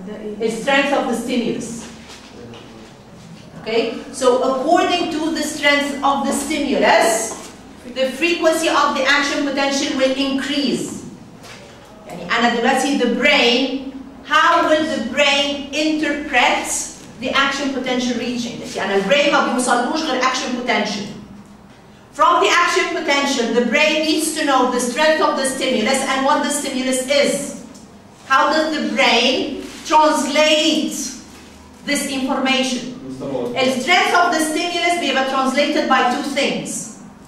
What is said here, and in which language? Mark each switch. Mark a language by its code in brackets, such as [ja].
[ar] ده ايه؟ [en] The strength of the stimulus. Okay, so according to the strength of the stimulus, the frequency of the action potential will increase. [ar] يعني انا دلوقتي [en] the brain, how will the brain interpret the action potential reaching this. [ar] يعني البرين ما بيوصلوش غير action potential. [en] From the action potential, the brain needs to know the strength of the stimulus and what the stimulus is. How does the brain translate this information? The strength of the stimulus we have translated by two things.